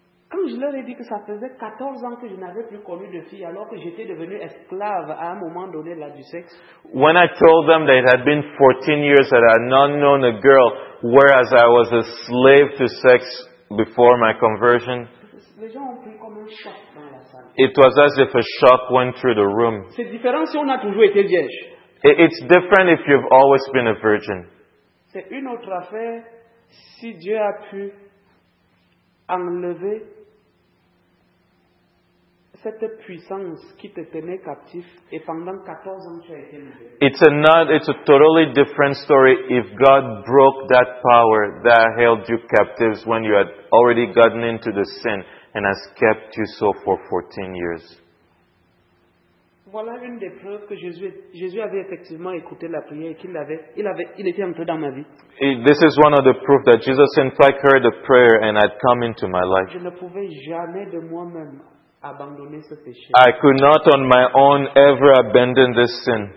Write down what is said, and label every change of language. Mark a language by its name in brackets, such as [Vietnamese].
[French] Quand je leur ai dit que ça faisait 14 ans que je n'avais plus connu de fille, alors que j'étais devenu esclave à un moment donné là du sexe. [English] When I told them that it had been 14 years that I had not known a girl, whereas I was a slave to sex before my conversion. [French] Les gens ont pris comme un choc dans la salle. [English] It was as if a shock went through the room. [French] C'est différent si on a toujours été vierge. [English] It's different if you've always been a virgin. [French] C'est une autre affaire si Dieu a pu enlever cette puissance qui te tenait captif et pendant 14 ans tu as été libéré. [English] It's a totally different story if God broke that power that held you captives when you had already gotten into the sin and has kept you so for 14 years. [French] Voilà une des preuves que Jésus avait effectivement écouté la prière et qu'il avait, il était entré dans ma vie. [English] This is one of the proofs that Jesus in fact heard the prayer and had come into my life. [French] Je ne pouvais jamais de moi-même abandonner ce péché. [English] I could not on my own ever abandon this sin.